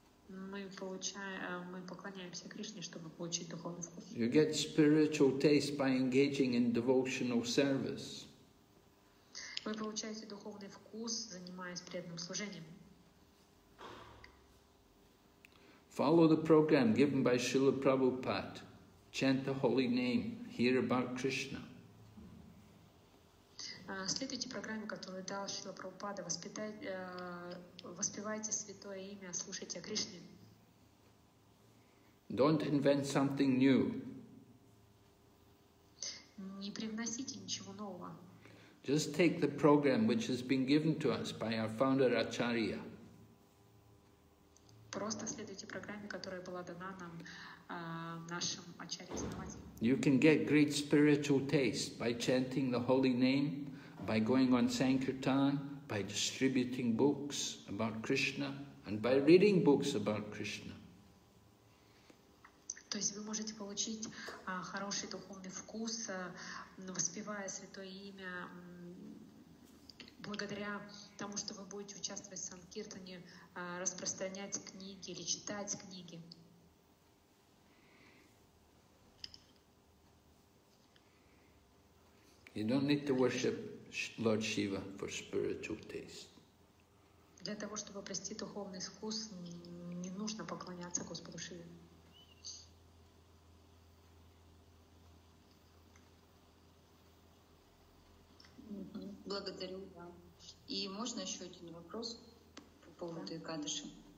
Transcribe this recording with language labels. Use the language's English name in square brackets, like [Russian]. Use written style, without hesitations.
[Russian] Мы поклоняемся Кришне, чтобы получить духовный вкус. [English] You get spiritual taste by engaging in devotional service. [Russian] Вы получаете духовный вкус, занимаясь преданным служением. [English] Follow the program given by Srila Prabhupada. Chant the holy name. Hear about Krishna. [Russian] Следуйте программе, которую дал Шрила Прабхупада. Воспевайте святое имя, слушайте о Кришне. [English] Don't invent something new. [Russian] Не привносите ничего нового. [English] Just take the program which has been given to us by our founder Acharya. [Russian] Просто следуйте программе, которая была дана нам нашим Ачарьей-основателем. [English] You can get great spiritual taste by chanting the holy name, by going on Sankirtan, by distributing books about Krishna, and by reading books about Krishna. [Russian] То есть вы можете получить хороший духовный вкус, воспевая святое имя, благодаря тому, что вы будете участвовать в Санкиртане, распространять книги или читать книги. [English] You don't need to worship Lord Shiva for spiritual taste. [Russian] Для того, чтобы обрести духовный вкус, не нужно поклоняться Господу Шиве. Благодарю, да. И можно еще один вопрос по поводу Экадыши?